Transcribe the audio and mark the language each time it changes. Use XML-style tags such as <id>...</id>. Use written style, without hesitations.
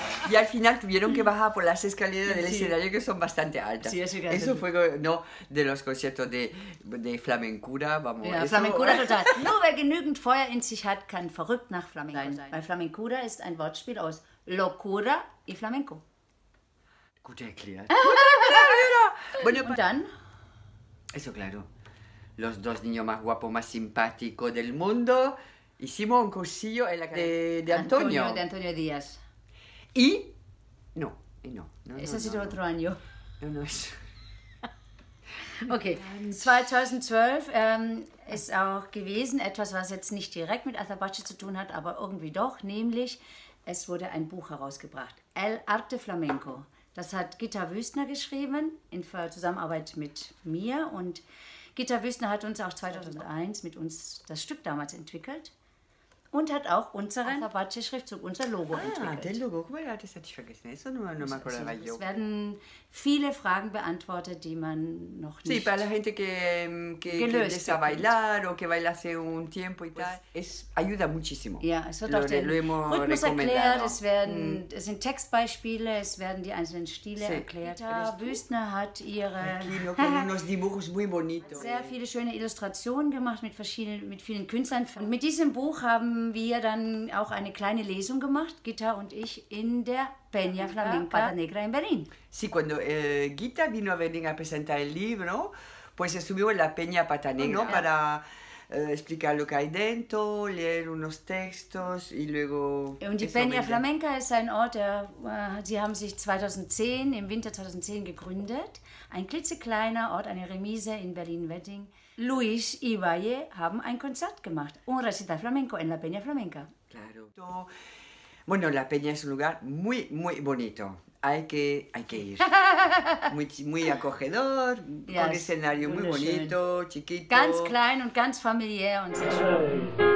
<es>Y al final tuvieron que bajar por las escaleras del escenario, que son bastante altas. Sí, eso, que eso fue no de los conciertos de Flamencura, vamos. Ja, Flamencura total.</es> <de>Nur wer genügend Feuer in sich hat, kann verrückt nach Flamenco sein. Weil Flamencura ist ein Wortspiel aus</de> <es>Locura y Flamenco.</es> <de>Gut erklärt. Bueno, und dann?</de> <es>Eso claro. Los dos niños más guapos, más simpáticos del mundo. Hicimos un cursillo en la calle de Antonio. De Antonio Díaz. Y no. Eso ha sido otro año. No es.</es> <de>Okay, 2012 ist auch gewesen etwas, was jetzt nicht direkt mit Azabache zu tun hat, aber irgendwie doch, nämlich es wurde ein Buch herausgebracht. El Arte Flamenco. Das hat Gitta Wüstner geschrieben in Zusammenarbeit mit mir. Und Gitta Wüstner hat uns auch 2001 mit uns das Stück damals entwickelt. Und hat auch unseren Azabache-Schriftzug, unser Logo entwickelt. Ah, der Logo, guck mal, das hatte ich vergessen.</de> <es>Eso no me acordaba yo.</es> <de>Es werden viele Fragen beantwortet, die man noch nicht.</de> <es>Sí, para la gente que empieza a bailar o que baila hace un tiempo y tal, es ayuda muchísimo.</es> <de>Ja, es wird auch den Rhythmus erklärt, es sind Textbeispiele, es werden die einzelnen Stile erklärt. Gitta Wüstner hat ihre.</de> <es>Aquino, con unos dibujos muy bonitos.</es> <de>Sehr viele schöne Illustrationen gemacht mit vielen Künstlern. Und mit diesem Buch haben wir dann auch eine kleine Lesung gemacht, Gitta und ich, in der Peña Flamenca Pata Negra in Berlin.</de> <es>Sí, cuando Gitta vino a Berlín a presentar el libro, pues estuvimos en la Peña Pata Negra, ¿no? Para explicar lo que hay dentro, leer unos textos y luego.</es> <de>Und die Peña Flamenca ist ein Ort, sie haben sich 2010, im Winter 2010 gegründet. Ein klitzekleiner Ort, eine Remise in Berlin-Wedding. Luis y Valle haben ein Konzert gemacht,</de> <es>un recital flamenco en la Peña Flamenca. Claro. Bueno, la Peña es un lugar muy, muy bonito. hay que ir. Muy, muy acogedor, yes. Con escenario muy bonito, chiquito.</es> <de>Ganz klein und ganz familiär und sehr schön.</de>